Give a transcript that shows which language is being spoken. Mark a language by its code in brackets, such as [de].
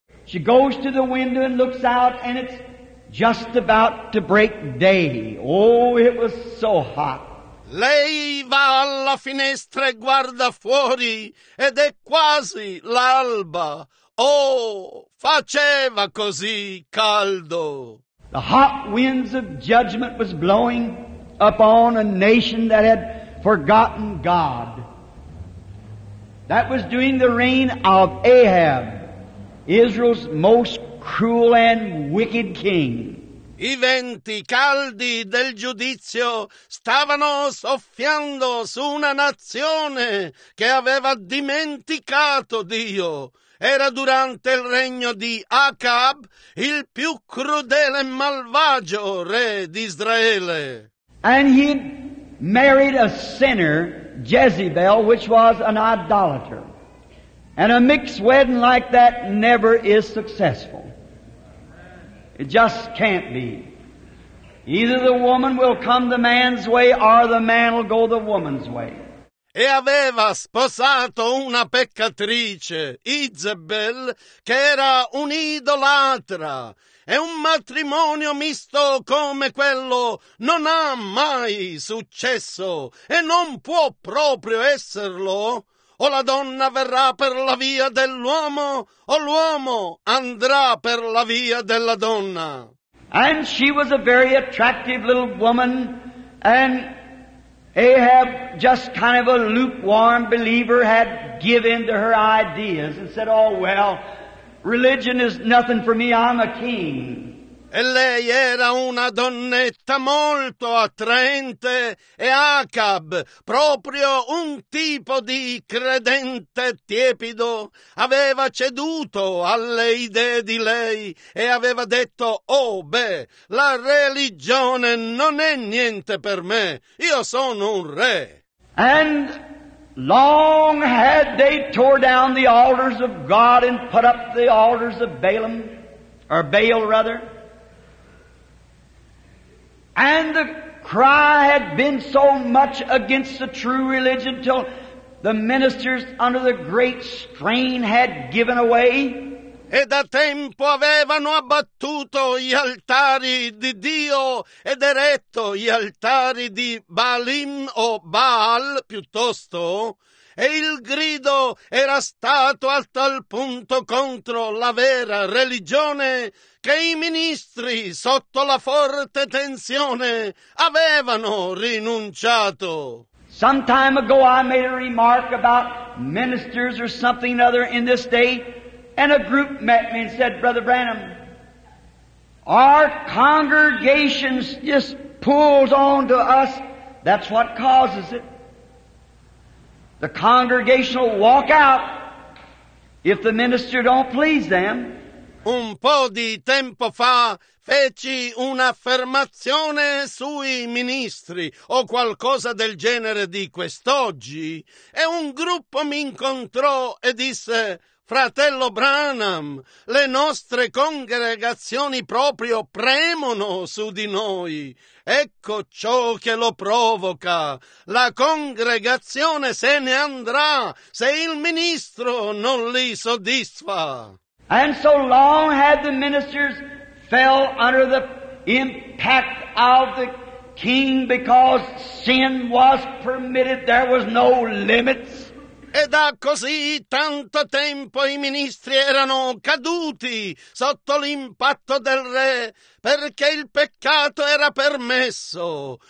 [en] She goes to the window and looks out, and it's just about to break day. Oh, it was so hot. [it] Lei va alla finestra e guarda fuori ed è quasi l'alba. Oh, faceva così caldo. [en] The hot winds of judgment was blowing upon a nation that had forgotten God. That was during the reign of Ahab, Israel's most cruel and wicked king. [it] I venti caldi del giudizio stavano soffiando su una nazione che aveva dimenticato Dio. Era durante il regno di Acab, il più crudele e malvagio re di Israele. [en] And he married a sinner, Jezebel, which was an idolater. And a mixed wedding like that never is successful. It just can't be. Either the woman will come the man's way, or the man will go the woman's way. [it] E aveva sposato una peccatrice, Izebel, che era un'idolatra. E un matrimonio misto come quello non ha mai successo e non può proprio esserlo. O la donna verrà per la via dell'uomo, o l'uomo andrà per la via della donna. [en] And she was a very attractive little woman, and Ahab, just kind of a lukewarm believer, had given to her ideas and said, oh, well, religion is nothing for me, I'm a king. [it] E lei era una donnetta molto attraente, e Acab, proprio un tipo di credente tiepido, aveva ceduto alle idee di lei e aveva detto, oh beh, la religione non è niente per me, io sono un re. [en] And long had they tore down the altars of God and put up the altars of Balaam, or Baal rather. And the cry had been so much against the true religion till the ministers under the great strain had given away. [it] E da tempo avevano abbattuto gli altari di Dio ed eretto gli altari di Baalim o Baal piuttosto. E il grido era stato a tal punto contro la vera religione che i ministri, sotto la forte tensione, avevano rinunciato. [en] Some time ago I made a remark about ministers or something or other in this day, and a group met me and said, Brother Branham, our congregations just pulls on to us. That's what causes it. The congregation will walk out if the minister don't please them. [it] Un po' di tempo fa feci un'affermazione sui ministri o qualcosa del genere di quest'oggi e un gruppo mi incontrò e disse: Fratello Branham, le nostre congregazioni proprio premono su di noi. Ecco ciò che lo provoca. La congregazione se ne andrà se il ministro non li soddisfa. [en] And so long had the ministers fell under the impact of the king because sin was permitted, there was no limits. [it] E da così tanto tempo i ministri erano caduti sotto l'impatto del re perché il peccato era permesso.